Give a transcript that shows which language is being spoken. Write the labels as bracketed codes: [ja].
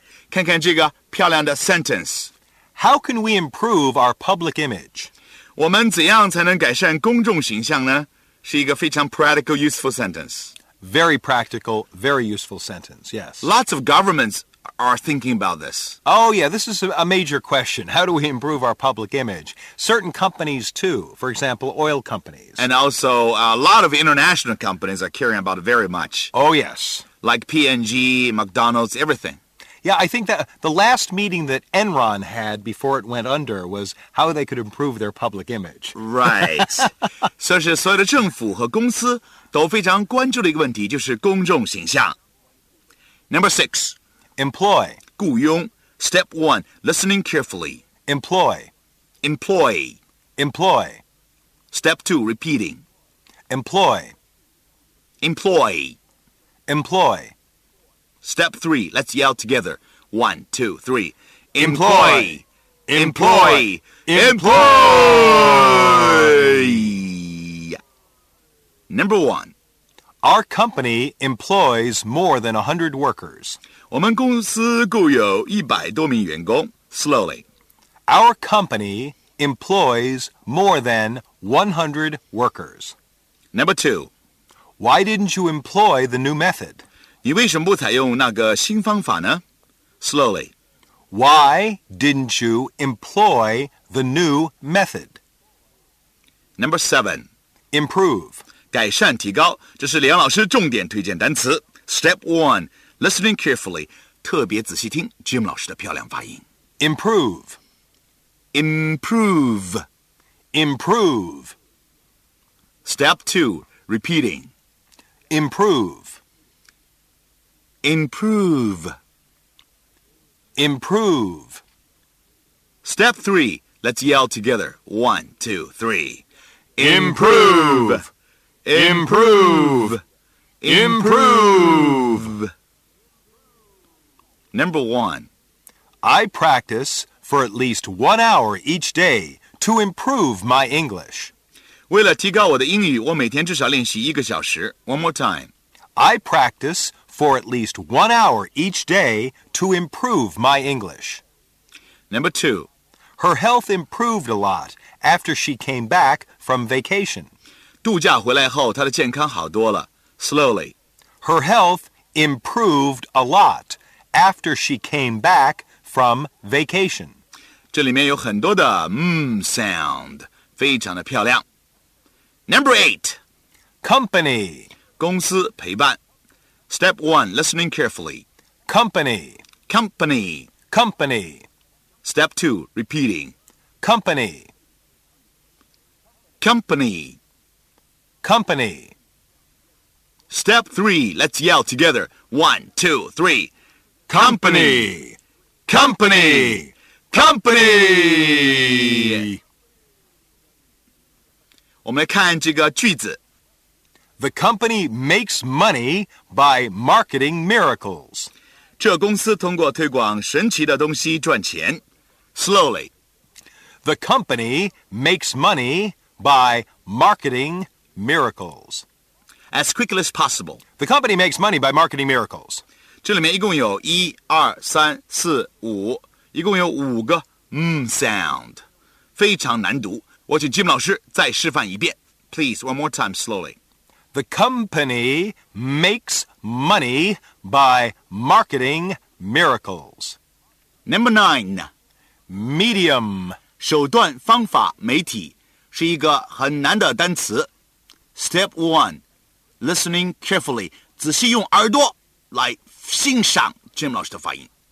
[zh] 看看这个漂亮的 sentence. [en] How can we improve our public image? [zh] 我们怎样才能改善公众形象呢？是一个非常 practical, useful sentence. [en] Very practical, very useful sentence, yes. Lots of governments are thinking about this. Oh, yeah, this is a major question. How do we improve our public image? Certain companies, too. For example, oil companies. And also, a lot of international companies are caring about it very much. Oh, yes. Like P&G, McDonald's, everything. Yeah, I think that the last meeting that Enron had before it went under was how they could improve their public image. Right. [zh] So, 是所有的政府和公司都非常关注的一个问题，就是公众形象。 [en] Number six. Employ. 雇佣 Step one, listening carefully. Employ. Employ. Employ. Step two, repeating. Employ. Employ. Employ. Step three, let's yell together. One, two, three. Employ! Employ! Employ! Number one. Our company employs more than 100 workers. [zh] 我们公司雇有100多名员工。 [en] Slowly. Our company employs more than 100 workers. Number two. Why didn't you employ the new method? [zh] 你为什么不采用那个新方法呢? [en] Slowly. Why didn't you employ the new method? Number seven. Improve. [zh] 改善提高,这是李阳老师重点推荐单词。 [en] Step one. Listening carefully. [zh] 特别仔细听 Jim 老师的漂亮发音。 [en] Improve. Improve. Improve. Step two. Repeating. Improve. Improve. Improve. Step three. Let's yell together. One, two, three. Improve. Improve. Improve. Number one. I practice for at least 1 hour each day to improve my English. [zh] 为了提高我的英语，我每天至少练习一个小时。 [en] One more time. I practice... for at least 1 hour each day to improve my English. Number two. Her health improved a lot after she came back from vacation. [zh] 度假回来后她的健康好多了。 [en] Slowly. Her health improved a lot after she came back from vacation. [zh] 这里面有很多的sound, 非常的漂亮。 [en] Number eight. Company. [zh] 公司陪伴。 [en] Step one, listening carefully. Company. Company. Company. Step two, repeating. Company. Company. Company. Step three, let's yell together. One, two, three. Company. Company. Company. Company. Company. [zh] 我们来看这个句子。 [en] The company makes money by marketing miracles. [zh] 这公司通过推广神奇的东西赚钱。 [en] Slowly. The company makes money by marketing miracles. As quickly as possible. The company makes money by marketing miracles. [zh] 这里面一共有一、二、三、四、五，一共有五个sound. 非常难读。我请 Jim 老师再示范一遍。 [en] Please, one more time, slowly. The company makes money by marketing miracles. Number nine. Medium. [zh] 手段方法媒体是一个很难的单词。 [en] Step one. Listening carefully. [zh] 仔细用耳朵来欣赏 Jim 老师的发音。